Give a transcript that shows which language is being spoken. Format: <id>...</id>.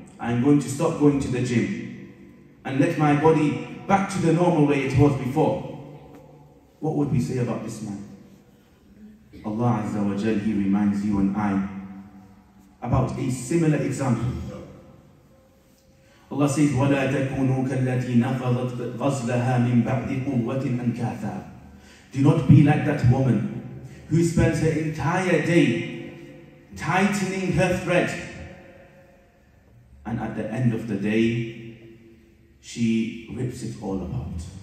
<en>I'm going to stop going to the gym and let my body back to the normal way it was before. What would we say about this man? Allah Azza wa Jal, He reminds you and I about a similar example. Allah says,</en> <ar>وَلَا تَكُونُوا كَالَّتِي نَفَضَتْ غَزْلَهَا مِنْ بَعْدِ قُوَّةٍ أَنْكَاثًا.</ar> <en>Do not be like that woman who spends her entire day tightening her thread, and at the end of the day, she rips it all apart.</en>